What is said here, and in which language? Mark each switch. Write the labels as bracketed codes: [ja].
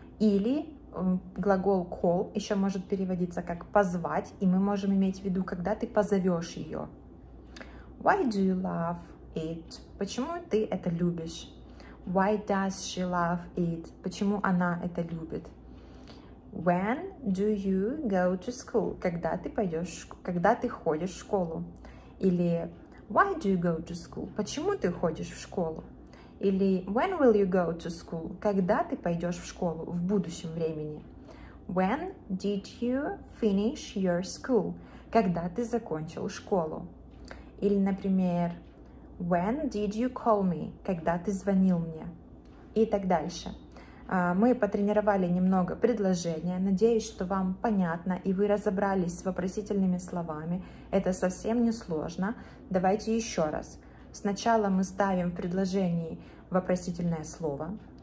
[ru] Или глагол call еще может переводиться как позвать, и мы можем иметь в виду, когда ты позовешь ее. [en] Why do you love it? [ru] Почему ты это любишь? [en] Why does she love it? [ru] Почему она это любит? [en] When do you go to school? [ru] Когда ты пойдешь, когда ты ходишь в школу? [en] Или why do you go to school? [ru] Почему ты ходишь в школу? [en] Или when will you go to school? [ru] Когда ты пойдешь в школу в будущем времени? [en] When did you finish your school? [ru] Когда ты закончил школу? [en] Или, например, when did you call me? [ru] Когда ты звонил мне? И так дальше. Мы потренировали немного предложения. Надеюсь, что вам понятно и вы разобрались с вопросительными словами. Это совсем не сложно. Давайте еще раз. Сначала мы ставим в предложении вопросительное слово.